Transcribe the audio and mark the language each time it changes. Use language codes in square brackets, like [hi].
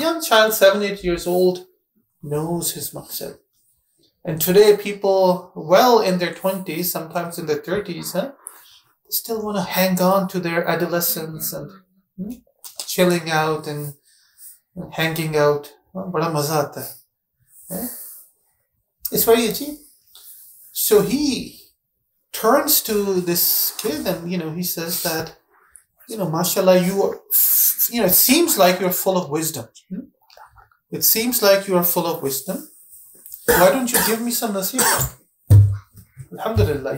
[en] Young child, 7-8 years old, knows his maqsad. And today, people well in their 20s, sometimes in their 30s, still want to hang on to their adolescence and chilling out and hanging out. [ur] بڑا مزہ آتا ہے۔ [en] It's very itchy. So he turns to this kid and, you know, he says that, you know, mashallah, you are, you know, it seems like you're full of wisdom. It seems like you are full of wisdom. Why don't you give me some nasiha? Alhamdulillah.